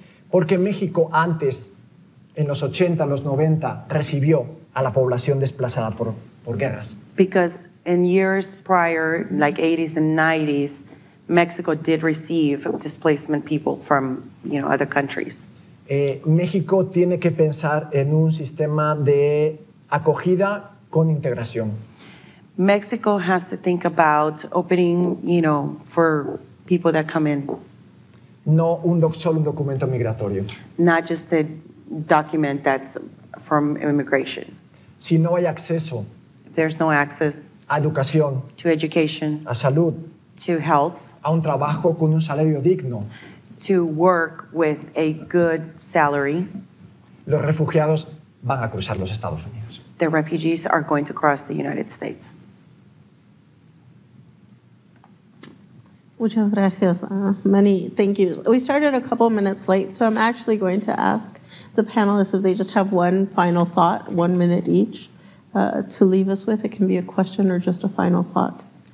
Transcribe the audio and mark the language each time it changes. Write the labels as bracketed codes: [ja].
[es] Porque México antes, en los 80, los 90, recibió a la población desplazada por guerras. [en] Because in years prior, like 80s and 90s, Mexico did receive displacement people from, you know, other countries. [es] México tiene que pensar en un sistema de acogida con integración. [en] Mexico has to think about opening, you know, for people that come in. [es] No solo un documento migratorio. [en] Not just a document that's from immigration. [es] Si no hay acceso. [en] There's no access. [es] A educación. [en] To education. [es] A salud. [en] To health. [es] A un trabajo con un salario digno. [en] To work with a good salary. [es] Los refugiados van a cruzar los Estados Unidos. [en] The refugees are going to cross the United States. [es] Muchas gracias. [en] Many thank yous. We started a couple minutes late, so I'm actually going to ask the panelists if they just have one final thought, 1 minute each, to leave us with. It can be a question or just a final thought.